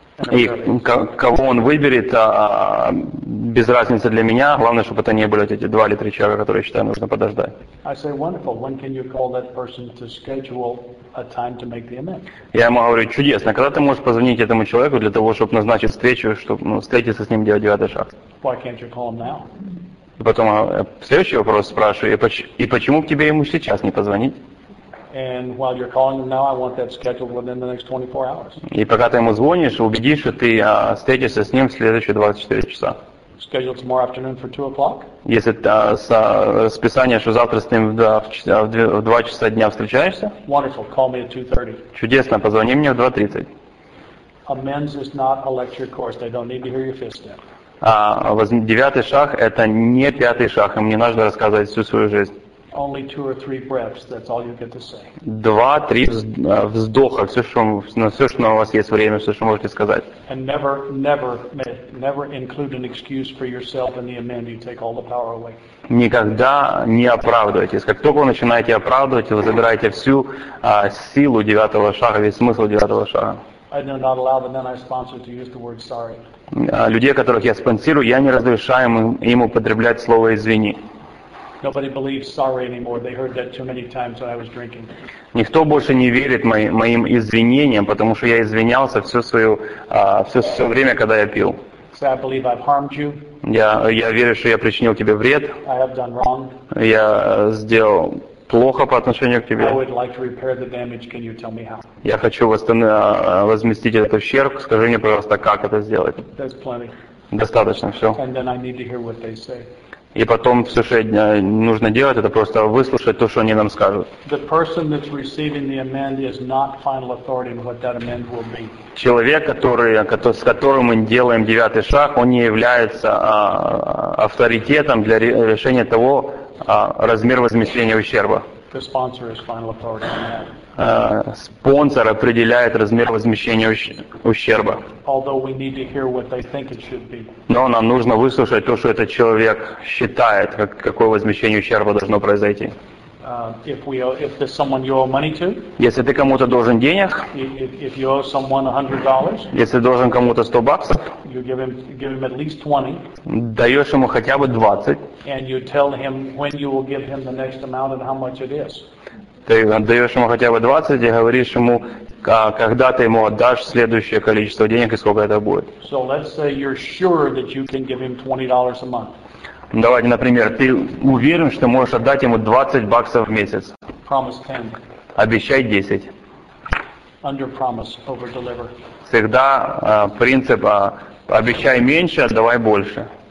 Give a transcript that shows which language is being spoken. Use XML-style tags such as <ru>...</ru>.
<ru>И кого он выберет, без разницы для меня, главное, чтобы это не были эти два или три человека, которые, я считаю, нужно подождать. Я ему говорю, чудесно, когда ты можешь позвонить этому человеку для того, чтобы назначить встречу, чтобы встретиться с ним, делать девятый шаг?</ru> <en>Why can't you call him now?</en> <ru>И потом следующий вопрос спрашиваю, и почему к тебе ему сейчас не позвонить?</ru> <en>And while you're calling him now, I want that scheduled within the next 24 hours.</en> <ru>И пока ты ему звонишь, убедись, что ты встретишься с ним в следующие 24 часа.</ru> <en>Scheduled tomorrow afternoon for 2 o'clock?</en> <ru>Если расписание, что завтра с ним в 2 часа дня встречаешься?</ru> <en>Wonderful. Call me at 2:30.</en> <ru>Чудесно. Позвони мне в 2:30.</ru> <en>Amends is not a lecture course. They don't need to hear your fifth step.</en> <ru>Девятый шаг – это не пятый шаг. Им не нужно рассказывать всю свою жизнь.</ru> <en>Only two or three breaths, that's all you get to say.</en> <ru>2-3 вздоха, все, что у вас есть время, все, что можете сказать.</ru> <en>And never include an excuse for yourself in the amend, you take all the power away.</en> <ru>Никогда не оправдывайтесь. Как только вы начинаете оправдывать, вы забираете всю силу девятого шага, весь смысл девятого шага.</ru> <en>I do not allow the men I sponsor to use the word sorry.</en> <ru>Людей, которых я спонсирую, я не разрешаю им употреблять слово извини.</ru> <en>Nobody believes sorry anymore. They heard that too many times when I was drinking.</en> <ru>Никто больше не верит моим извинениям, потому что я извинялся все время, когда я пил.</ru> <en>So I believe I've harmed you.</en> <ru>Я верю, что я причинил тебе вред.</ru> <en>I have done wrong.</en> <ru>Я сделал плохо по отношению к тебе.</ru> <en>I would like to repair the damage. Can you tell me how?</en> <ru>Я хочу возместить этот ущерб. Скажи мне, пожалуйста, как это сделать?</ru> <en>That's plenty.</en> <ru>Достаточно, все.</ru> <en>And then I need to hear what they say.</en> <ru>И потом все, что нужно делать, это просто выслушать то, что они нам скажут.</ru> <en>The person that's receiving the amend is not final authority in what that amend will be.</en> <ru>Человек, с которым мы делаем девятый шаг, он не является авторитетом для решения того, размер возмещения ущерба.</ru> <en>The sponsor is final authority on that.</en> <ru>Спонсор определяет размер возмещения ущерба.</ru> <en>Although we need to hear what they think it should be.</en> <ru>Но нам нужно выслушать то, что этот человек считает, какое возмещение ущерба должно произойти.</ru> <en>If there's someone you owe money to,</en> <ru>если ты кому-то должен денег,</ru> <en>if you owe someone $100,</en> <ru>если должен кому-то $100,</ru> <en>you give him at least 20,</en> <ru>даешь ему хотя бы 20,</ru> <en>and you tell him when you will give him the next amount and how much it is.</en> <ru>Ты отдаешь ему хотя бы 20 и говоришь ему, когда ты ему отдашь следующее количество денег и сколько это будет.</ru> <en>So let's say you're sure that you can give him $20 a month.</en> <ru>Давайте, например, ты уверен, что можешь отдать ему $20 в месяц.</ru> <en>Promise 10.</en> <ru>Обещай 10.</ru> <en>Under promise, over deliver.</en> <ru>Всегда принцип обещай меньше, отдавай больше.</ru>